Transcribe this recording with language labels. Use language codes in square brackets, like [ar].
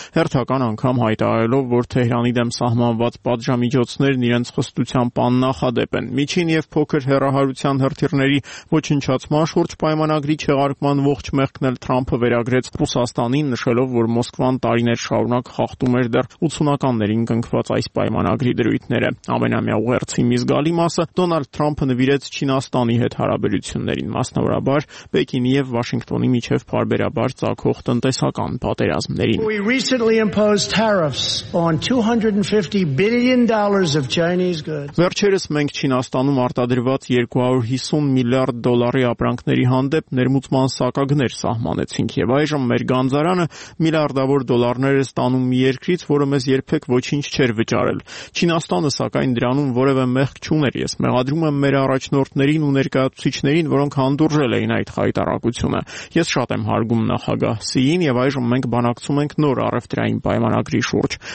[hy] հերթական անգամ հայտարարելով, որ Թեհրանի դեմ սահմանված պատժամիջոցներն իրենց խստությամբ աննախադեպ են։ Միջին և փոքր հեռահարության հրթիռների ոչնչացման շուրջ պայմանագրի չեղարկման ողջ մեղքն էլ Թրամփը վերագրեց Ռուսաստանին, նշելով, որ Մոսկվան տարիներ շարունակ խախտում էր դեռ 60-ականներին կնքված այս պայմանագրի դրույթները։ Ամենամյա ուղերձի մի զգալի մասը Դոնալդ Թրամփը նվիրեց Չինաստանի հետ հարաբերություններին, մասնավորաբար Պեկինի և Վաշինգտոնի միջև պարբերաբար ծագող տնտեսական պատերազմներին։ [en] We recently imposed tariffs on $250 billion of Chinese goods. [hy] Վերջերս մենք Չինաստանում արտադրված 250 միլիարդ դոլարի ապրանքների հանդեպ ներմուծման սակագներ սահմանեցինք, և այժմ մեր գանձարանը միլիարդավոր դոլարներ է ստանում մի երկրից, որը մեզ երբեք ոչինչ չէր վճարել։ Չինաստանը, սակայն, դրանում որևէ մեղք չուներ։ Ես մեղադրում եմ մեր առաջնորդներին ու ներկայացուցիչներին, որոնք հանդուրժել էին այդ հայտարարությունը։ Ես շատ եմ հարգում նախագահ Սիին, և այժմ մենք բանակցում ենք նոր առևտրային պայմանագրի շուրջ,